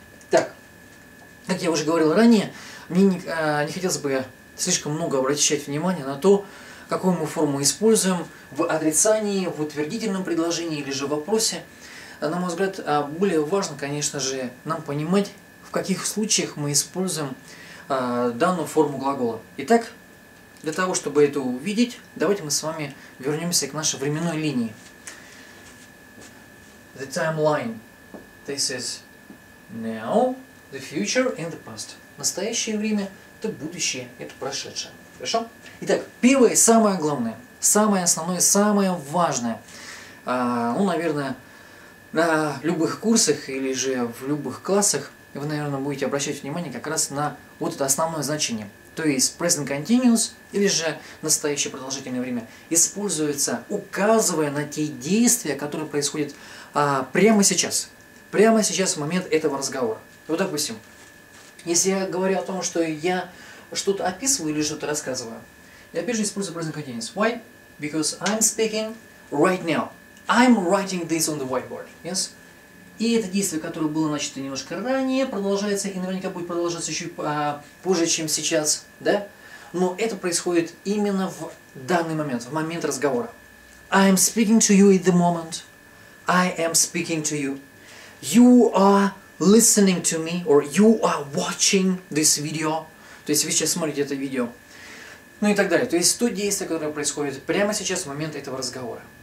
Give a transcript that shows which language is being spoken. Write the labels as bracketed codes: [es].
[ru] Так, как я уже говорил ранее, мне не хотелось бы слишком много обращать внимание на то, какую мы форму используем в отрицании, в утвердительном предложении или же в вопросе. На мой взгляд, более важно, конечно же, нам понимать, в каких случаях мы используем данную форму глагола. Итак, для того, чтобы это увидеть, давайте мы с вами вернемся к нашей временной линии. [en] The timeline. This is now, the future and the past. [ru] Настоящее время – это будущее, это прошедшее. Хорошо? Итак, первое, самое главное, самое основное, самое важное. Ну, наверное, на любых курсах или же в любых классах вы, наверное, будете обращать внимание как раз на вот это основное значение. То есть present continuous или же настоящее продолжительное время используется, указывая на те действия, которые происходят прямо сейчас. Прямо сейчас, в момент этого разговора. Вот, допустим, если я говорю о том, что я что-то описываю или что-то рассказываю, я опять же использую present continuous. [en] Why? Because I'm speaking right now. I'm writing this on the whiteboard. Yes? [ru] И это действие, которое было начато немножко ранее, продолжается и наверняка будет продолжаться еще позже, чем сейчас. Да? Но это происходит именно в данный момент, в момент разговора. [en] I'm speaking to you at the moment. I am speaking to you. You are listening to me, or you are watching this video. [ru] То есть вы сейчас смотрите это видео. Ну и так далее. То есть то действие, которое происходит прямо сейчас, в момент этого разговора.